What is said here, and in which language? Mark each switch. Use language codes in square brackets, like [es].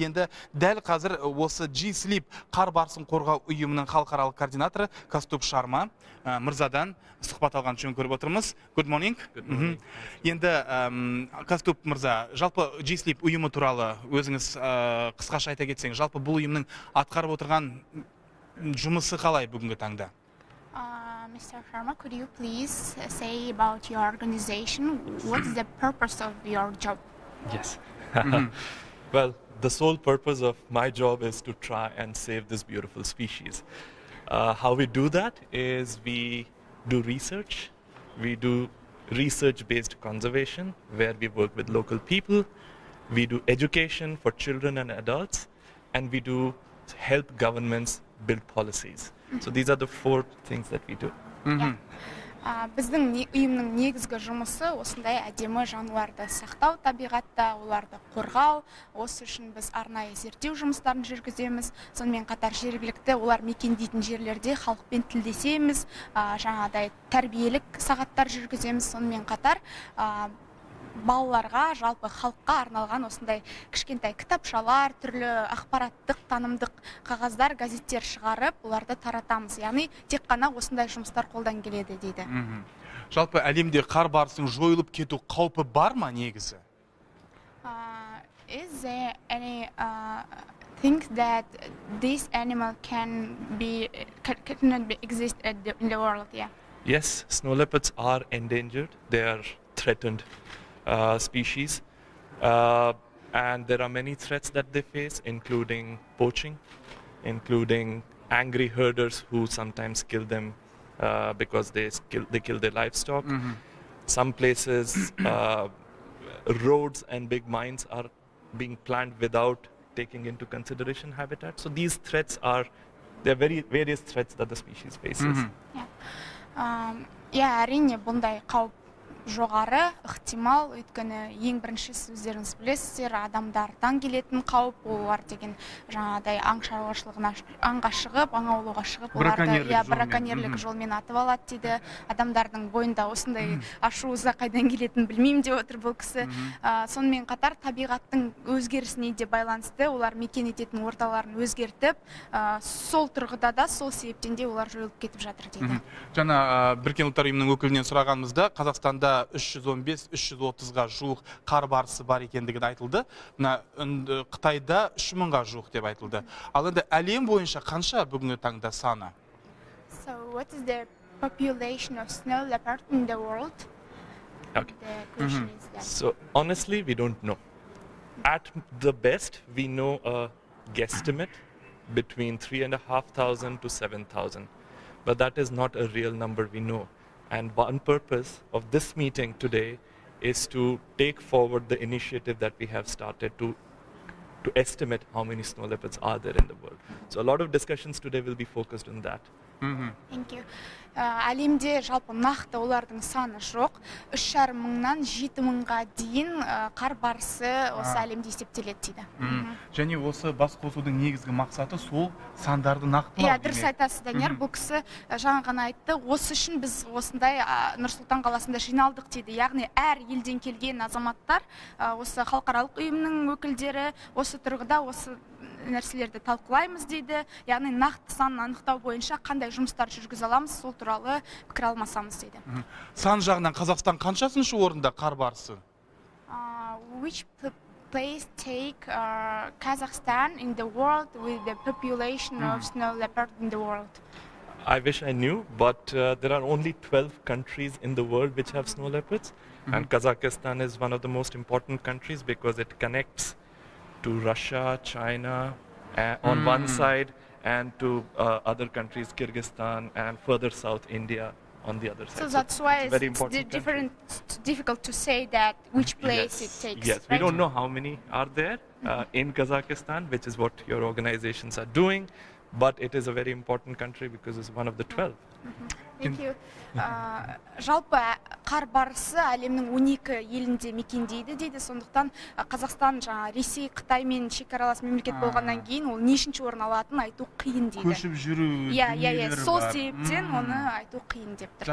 [kk] Енді дәл қазір осы G-Sleep қар барысын қорғау ұйымының халықаралық координаторы Каступ Шарма мырзадан сұхбат алған үшін көріп отырмыз. [en] Good morning. Good morning. Mm-hmm. [kk] Енді Каступ мырза, жалпы G-Sleep ұйымы туралы өзіңіз қысқаша айта кетсеңіз, жалпы бұл ұйымның атқарып отырған жұмысы қалай бүгінгі таңда? [en] Mr. Sharma, could you please say about your organization? What's the purpose of your job? Yes. Mm-hmm. Well, the sole purpose of my job is to try and save this beautiful species. How we do that is we do research. We do research-based conservation, where we work with local people. We do education for children and adults. And we do help governments build policies. Mm-hmm. So these are the four things that we do. [kk] Біздің ұйымның негізгі жұмысы осындай әдемі жануарды сақтау табиғатта, оларды қорғау. Осы үшін біз арнайы зерттеу жұмыстарын жүргіземіз. Сонымен қатар жергілікті олар мекендейтін жерлерде халықпен тілдесеміз, жаңадай тәрбиелік сағаттар жүргіземіз. Сонымен қатар балаларға, жалпы халыққа арналған осындай кішкентай кітапшалар, түрлі ақпараттық, танымдық қағаздар, газеттер шығарып, оларды таратамыз. Яғни, тек қана осындай жұмыстар қолдан келеді, дейді. Жалпы әлемде қар барысын жойылып кету қаупі бар ма негізі? [en] Is there any think that this animal can be cannot be exist in the world, yeah? Yes, snow leopards are endangered. They are threatened. Species and there are many threats that they face, including poaching, including angry herders who sometimes kill them because they kill their livestock. Mm-hmm. Some places roads and big mines are being planned without taking into consideration habitat. So these threats are very various threats that the species faces. Mm-hmm. [kk] Yeah, әрине бұндай қауіп жоғары ықтимал, өйткені ең бірінші сөздеріңіз білесіздер, адамдардан келетін қауіп, олар деген жаңағыдай аң шаруашылығына, аңға шығып, аң аулауға шығып, оларды браконьерлік жолмен атып алады, дейді. Адамдардың бойында осындай ашу ыза қайдан келетінін білмеймін деп отыр бұл кісі. Сонымен қатар табиғаттың өзгерісіне де байланысты, олар мекен ететін орталарын өзгертіп, сол тұрғыда да сол себептен де олар жойылып кетіп жатыр, дейді. Жаңа Біріккен Ұлттар Ұйымының өкілінен сұрағанымызда Қазақстанда 315-330-ға жуық қар барысы бар екендігі айтылды. Мына Қытайда 3000-ға жуық деп айтылды. Ал енді әлем бойынша қанша бүгінгі таңда саны? [en] So what is the population of snow leopard in the world? Okay. The question is that. So honestly, we don't know. At the best, we know a guesstimate between 3,500 to 7,000. But that is not a real number we know. And one purpose of this meeting today is to take forward the initiative that we have started to estimate how many snow leopards are there in the world. So a lot of discussions today will be focused on that. Mm-hmm. Thank you. [kk] Әлемде жалпы нақты олардың саны жоқ. 3,500-нан 7,000-ға дейін қар барысы осы әлемде есептеледі, дейді. Және осы бас қосудың негізгі мақсаты сол сандарды нақтылау. Иә, дұрыс айтасыз, Данияр. Бұл кісі жаңа ғана айтты. Осы үшін біз осындай Нұр-Сұлтан қаласында жиналдық, дейді. Яғни әр елден келген азаматтар, осы халықаралық ұйымның өкілдері осы тұрғыда осы нәрселерді талқылаймыз, дейді. Яғни нақты санын анықтау бойынша қандай жұмыстар жүргізе аламыз, сол туралы пікір алмасамыз, дейді. Сан жағынан Қазақстан қаншасыншы орында қар барысы? [en] Which place take Kazakhstan in the world with the population of snow leopard in the world? I wish I knew, but there are only 12 countries in the world which have snow leopards. Mm-hmm. And Kazakhstan is one of the most important countries because it connects to Russia, China, on one side, and to other countries, Kyrgyzstan, and further south, India, on the other side. So that's so why it's very important. Difficult to say that which place it takes. Yes, right? We don't know how many are there in Kazakhstan, which is what your organizations are doing, but it is a very important country because it's one of the 12. Thank you. [kk] Жалпы қар барысы әлемнің 12 елінде мекендейді дейді. Сондықтан Қазақстан жаңа Ресей, Қытай мен шекаралас мемлекет болғаннан кейін ол нешінші орын алатынын айту қиын дейді. Көшіп жүру дүниелері бар. Сол себептен оны айту қиын деп тұр.